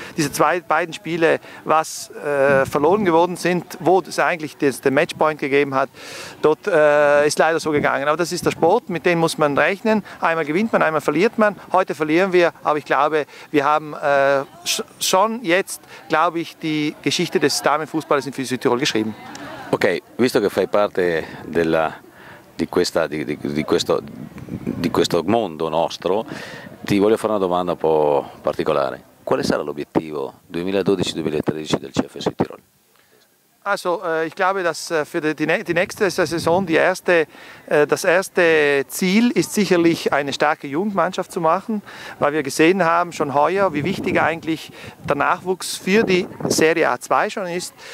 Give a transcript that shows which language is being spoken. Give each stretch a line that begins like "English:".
German: Diese zwei beiden Spiele, was verloren geworden sind, wo es eigentlich den Matchpoint gegeben hat, dort ist leider so gegangen. Aber das ist der Sport, mit dem muss man rechnen. Einmal gewinnt man, einmal verliert man. Heute verlieren wir, aber ich glaube, wir haben schon jetzt, glaube ich, die Geschichte des Damen Fußball ist in Südtirol geschrieben.
Italian: Okay, visto che fai parte di questo mondo nostro, ti voglio fare una domanda un po' particolare. Quale sarà l'obiettivo 2012-2013 del CF Südtirol?
German: Also, ich glaube, dass für die nächste Saison das erste Ziel ist sicherlich eine starke Jugendmannschaft zu machen, weil wir gesehen haben schon heuer, wie wichtig eigentlich der Nachwuchs für die Serie A2 schon ist.